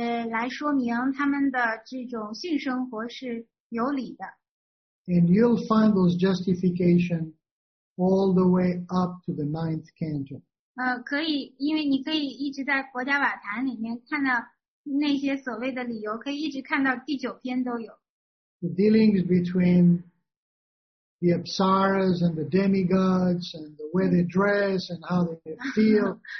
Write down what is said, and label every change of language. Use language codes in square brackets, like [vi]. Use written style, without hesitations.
[zh] 来说明他们的这种性生活是有理的。 [en] And you'll find those justification all the way up to the ninth canto. [zh] 可以，因为你可以一直在佛家瓦坛里面看到那些所谓的理由，可以一直看到第九篇都有。 [en] The dealings between the apsaras and the demigods and the way they dress and how they feel.